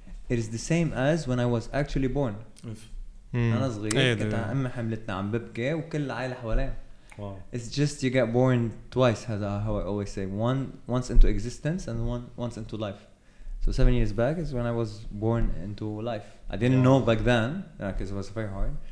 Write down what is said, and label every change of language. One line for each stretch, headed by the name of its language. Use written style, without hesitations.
English: It is the same as when I was actually born.
Arabic: انا صغير كنت امي حملتنا عم ببكي وكل العائله حواليا.
English: Wow. It's just you get born twice, as how I always say, once into existence and once into life. So 7 years back is when I was born into life. I didn't know back then because it was very hard.